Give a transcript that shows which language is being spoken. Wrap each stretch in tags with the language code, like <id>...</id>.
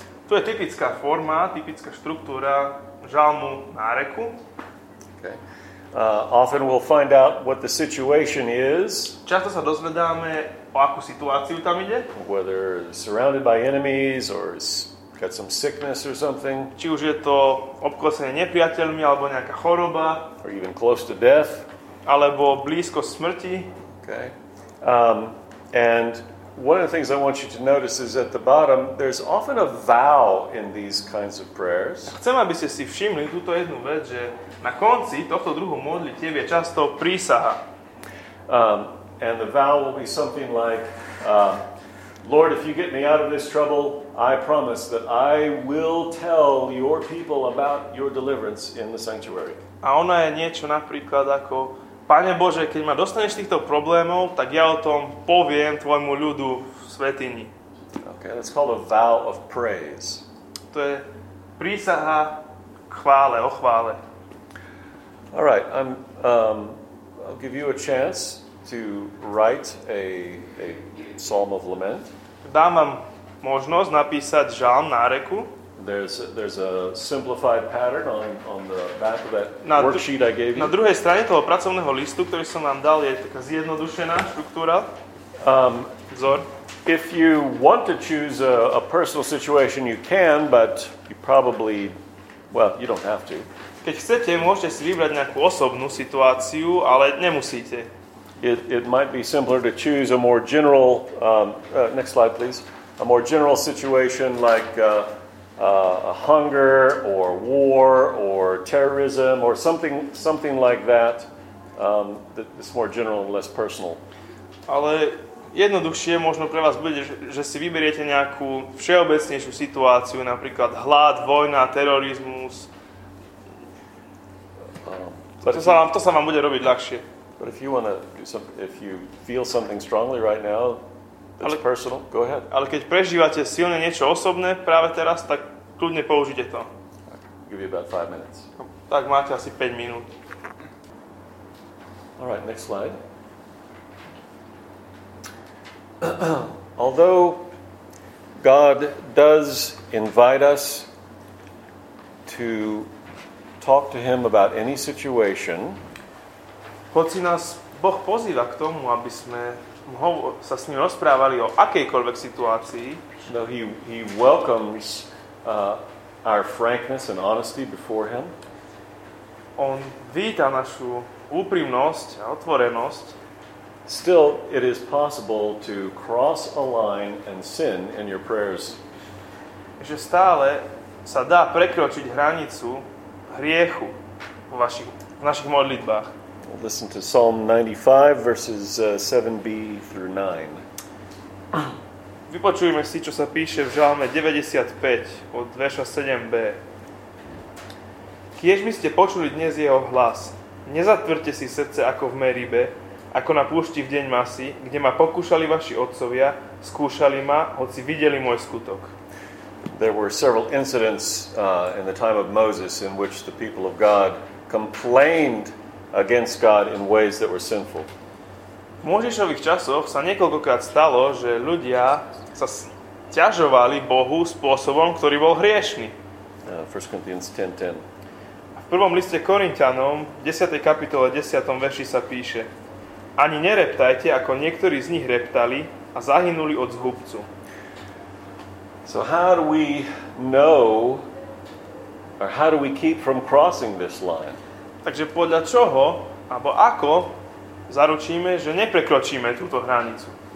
<sk>To je typická forma, typická štruktúra žalmu náreku.</sk> <en>Okay. Often we'll find out what the situation is.</en> <sk>Často sa dozvedáme, o akú situáciu tam ide.</sk> <en>Whether surrounded by enemies or got some sickness or something.</en> <sk>Či už je to obklopené nepriateľmi alebo nejaká choroba.</sk> <en>Or even close to death.</en> <sk>Alebo blízko smrti.</sk> <en>Okay. And one of the things I want you to notice is at the bottom there's often a vow in these kinds of prayers.</en> <sk>Chcem, aby ste si všimli túto jednu vec, že na konci tohto druhu modlitev je často prísaha.</sk> <en>And the vow will be something like, Lord, if you get me out of this trouble, I promise that I will tell your people about your deliverance in the sanctuary.</en> <sk>A ona je niečo napríklad ako, Pane Bože, keď ma dostaneš týchto problémov, tak ja o tom poviem tvojmu ľudu v svätyni.</sk> <en>Okay, that's called a vow of praise.</en> <sk>To je prísaha chvále, o chvále.</sk> <en>All right, I'll give you a chance to write a psalm of lament.</en> <sk>Dám vám možnosť napísať žalm náreku.</sk> <en>There's a simplified pattern on the back of that worksheet I gave you.</en> <sk>Na druhej strane toho pracovného listu, ktorý som vám dal, je taká zjednodušená štruktúra. Vzor.</sk> <en>If you want to choose a personal situation, you can, but you probably, well, you don't have to.</en> <sk>Keď chcete, môžete si vybrať nejakú osobnú situáciu, ale nemusíte.</sk> <en>It might be simpler to choose a more general next slide please, a more general situation like a hunger or war or terrorism or something like that, that's more general and less personal.</en> <sk>Ale jednoduchšie možno pre vás bude, že si vyberiete nejakú všeobecnejšiu situáciu, napríklad hlad, vojna, terorizmus. To sa vám bude robiť ľahšie.</sk> <en>But if you want to do something, if you feel something strongly right now, that's personal, go ahead.</en> <sk>Ale keď prežívate silne niečo osobné práve teraz, tak kľudne použite to.</sk> <en>Give you about 5 minutes.</en> <sk>Tak máte asi 5 minút.</sk> <en>All right, next slide. Although God does invite us to talk to him about any situation,</en> <sk>hoci nás Boh pozýva k tomu, aby sme sa s ním rozprávali o akejkoľvek situácii,</sk> <en>no, he welcomes our frankness and honesty before him.</en> <sk>On víta našu úprimnosť a otvorenosť.</sk> <en>Still, it is possible to cross a line and sin in your prayers.</en> <sk>Že stále sa dá prekročiť hranicu hriechu v našich modlitbách.</sk> <en>We'll listen to Psalm 95, verses 7b through 9.</en> <sk>Vypočujeme si, čo sa píše v Žalme 95, od verša 7b. Kiež by ste počuli dnes jeho hlas, nezatvrďte si srdce ako v Meribe, ako na púšti v deň Masy, kde ma pokúšali vaši otcovia, skúšali ma, hoci videli môj skutok.</sk> <en>There were several incidents in the time of Moses in which the people of God complained against God in ways that were sinful.</en> <sk>V Mojžišových časoch sa niekoľkokrát stalo, že ľudia sa sťažovali Bohu spôsobom, ktorý bol hriešný.</sk> <en>1 Corinthians 10:10.</en> <sk>V prvom liste Korintianom, 10. kapitole, 10. verši sa píše: Ani nereptajte, ako niektorí z nich reptali a zahynuli od zhubcu.</sk> <en>So how do we know, or how do we keep from crossing this line?</en> <sk>Takže podľa čoho, alebo ako, zaručíme, že neprekročíme túto hranicu?</sk>